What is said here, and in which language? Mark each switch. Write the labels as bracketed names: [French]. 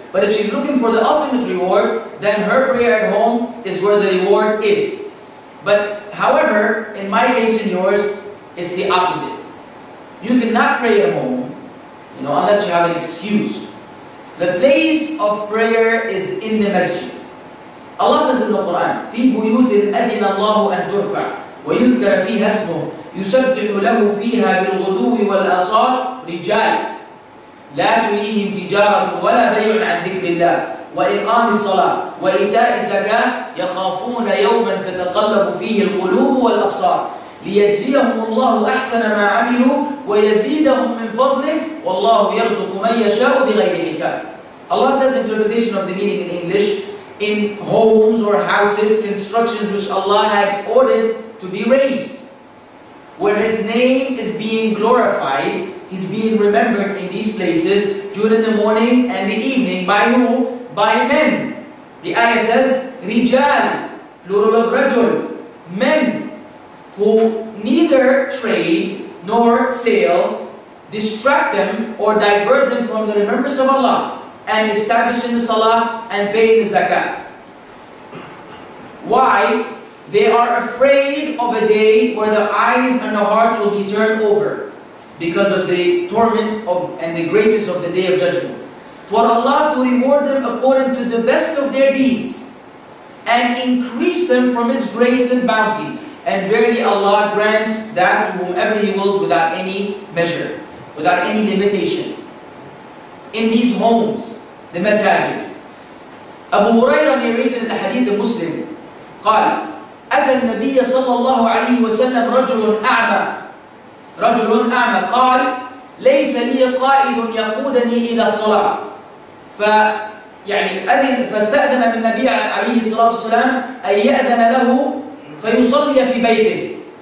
[English] But if she's looking for the ultimate reward, then her prayer at home is where the reward is. But however, in my case and yours, it's the opposite. You cannot pray at home, you know, unless you have an excuse. The place of prayer is in the masjid. Allah says in the Quran, [Arabic] فِي بُيُوتٍ أَذِنَ اللَّهُ أَنْ تُرْفَعْ وَيُذْكَرَ فِيهَا اسْمُهُ يُسَبِّحُ لَهُ فِيهَا بِالْغُدُوِّ وَالْأَصَارِ رِجَالٍ لا تليهم تجارة ولا بيع عن ذكر الله وإقام الصلاة وإيتاء الزكاة يخافون يوما تتقلب فيه القلوب والأبصار ليجزيهم الله أحسن ما عملوا ويزيدهم من فضله والله يرزق من يشاء بغير حساب. [English] Allah says interpretation of the meaning in English, in homes or houses, constructions which Allah had ordered to be raised, where His name is being glorified, He's being remembered in these places during the morning and the evening. By who? By men. The ayah says, رجال, plural of رجل, men who neither trade nor sell, distract them or divert them from the remembrance of Allah and establishing the salah and paying the zakah. Why? They are afraid of a day where the eyes and the hearts will be turned over, because of the torment of and the greatness of the Day of Judgment. For Allah to reward them according to the best of their deeds and increase them from His grace and bounty. And verily Allah grants that to whomever He wills without any measure, without any limitation. In these homes, the masajid. Abu Huraira narrated in the hadith of Muslim, [Arabic] قال, أَتَى النَّبِيَّ صَلَّى اللَّهُ عَلَيْهِ وَسَلَّمْ رَجُلٌ أَعْمَى رجل أعمى قال ليس لي قائد يقودني إلى الصلاة فاستأذن من النبي عليه الصلاة والسلام أن يأذن له فيصلي في بيته